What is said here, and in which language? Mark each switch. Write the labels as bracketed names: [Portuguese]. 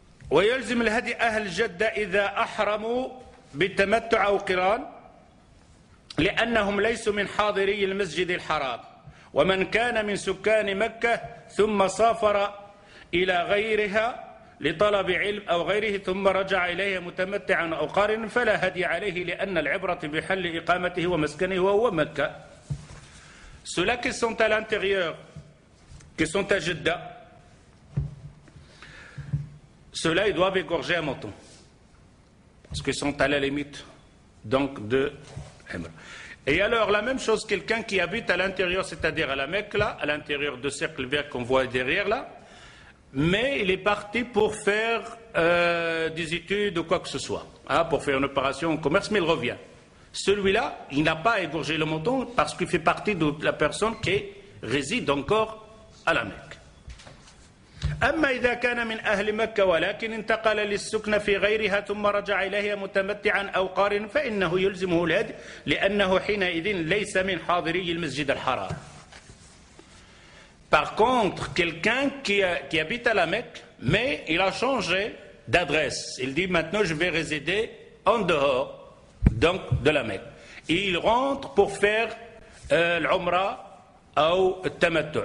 [Arabic] ويلزم الهدي أهل جدة إذا أحرموا بتمتع أو قران لأنهم ليسوا من حاضري المسجد الحرام ومن كان من سكان مكة ثم سافر إلى غيرها لطلب علم أو غيره ثم رجع إليها متمتعا أو قارنا فلا هدي عليه لأن العبرة بحل إقامته ومسكنه وهو مكة. [French] ceux-là qui sont à l'intérieur, qui sont à Jeddah, ceux-là, ils doivent égorger un mouton. Parce qu'ils sont à la limite, donc, de l'Umra. Et alors, la même chose, quelqu'un qui habite à l'intérieur, c'est-à-dire à la Mecque, là, à l'intérieur du cercle vert qu'on voit derrière, là, mais il est parti pour faire des études ou quoi que ce soit, hein, pour faire une opération en commerce, mais il revient. Celui-là, il n'a pas égorgé le mouton parce qu'il fait partie de la personne qui réside encore à la Mecque. [Arabic] أما إذا كان من أهل مكة ولكن انتقل للسكن في غيرها ثم رجع إليها متمتعا أو قارنا فإنه يلزمه الهدي لأنه حينئذ ليس من حاضري المسجد الحرام. [French] Par contre, quelqu'un qui habite à la Mecque, mais il a changé d'adresse. Il dit maintenant je vais résider en dehors, donc de la Mecque. Et il rentre pour faire l'Umra ou tamattu.